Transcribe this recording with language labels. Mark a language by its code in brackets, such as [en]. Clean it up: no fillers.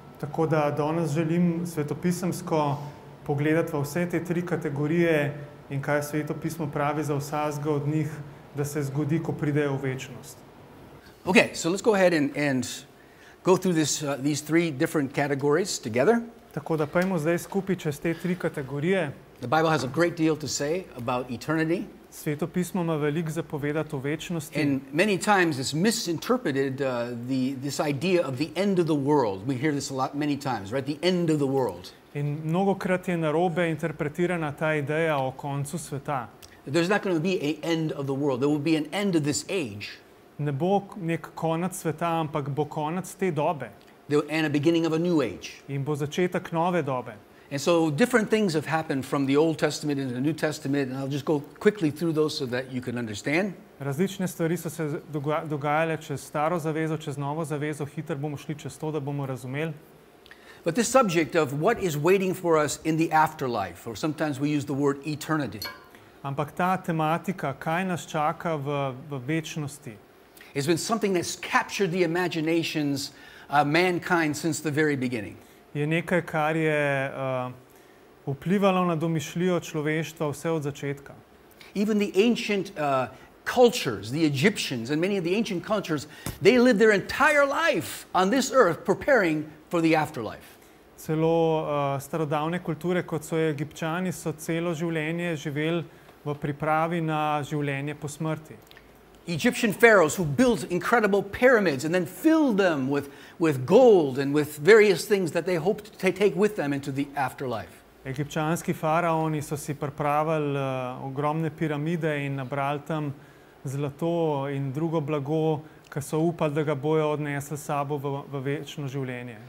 [sl] Tako da danes želim svetopisemsko pogledati v vse te tri kategorije in kaj Sveto pismo pravi za vsazga od njih, da se zgodi, ko pridejo v večnost. [en] Okay, so let's go ahead and go through these three different categories together. [sl] Tako da pojmo zdaj skupaj čez te tri kategorije. [en] The Bible has a great deal to say about eternity. [sl] Sveto pismo ima veliko zapovedati o večnosti. [en] And many times it's misinterpreted this idea of the end of the world. We hear this a lot many times, right? The end of the world. [sl] In mnogokrat je narobe interpretirana ta ideja o koncu sveta. [en] There's not going to be an end of the world. There will be an end of this age. [sl] Ne bo nek konec sveta, ampak bo konec te dobe. [en] And a beginning of a new age. [sl] In bo začetek nove dobe. [en] And so different things have happened from the Old Testament into the New Testament, and I'll just go quickly through those so that you can understand. [sl] Različne stvari so se dogajale čez staro zavezo, čez novo zavezo, hiter bomo šli čez to, da bomo razumeli. [en] But this subject of what is waiting for us in the afterlife, or sometimes we use the word eternity. [sl] Ampak ta tematika, kaj nas čaka v večnosti. [en] It's been something that's captured the imaginations of mankind since the very beginning. [sl] Je nekaj, kar je vplivalo na domišljijo človeštva vse od začetka. [en] Even the ancient cultures, the Egyptians and many of the ancient cultures, they lived their entire life on this earth preparing for the afterlife. [sl] Celo starodavne kulture, kot so Egipčani, so celo življenje živeli v pripravi na življenje po smrti. [en] Egyptian pharaohs who built incredible pyramids and then filled them with gold and with various things that they hoped to take with them into the afterlife. [sl] Egipčanski faraoni so si pripravili ogromne piramide in nabrali tam zlato in drugo blago, ki so upali, da ga bojo odnesli sabo v večno življenje.